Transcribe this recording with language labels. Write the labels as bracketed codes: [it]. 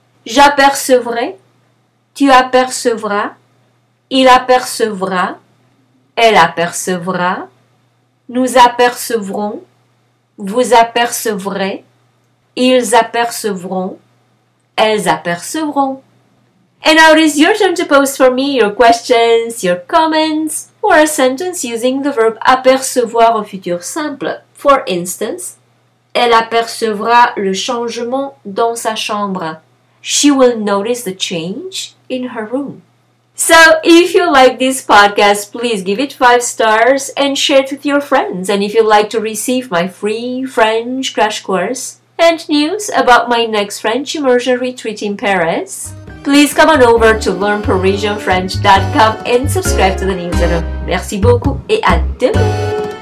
[fr] J'apercevrai, tu apercevras, il apercevra, elle apercevra, nous apercevrons, vous apercevrez, ils apercevront, elles apercevront. [en] And now it is your turn to post for me your questions, your comments, or a sentence using the verb [fr] apercevoir au futur simple. [en] For instance, [fr] elle apercevra le changement dans sa chambre. [en] She will notice the change in her room. So, if you like this podcast, please give it 5 stars and share it with your friends. And if you'd like to receive my free French crash course and news about my next French immersion retreat in Paris, please come on over to learnparisianfrench.com and subscribe to the newsletter. [fr] Merci beaucoup et à demain!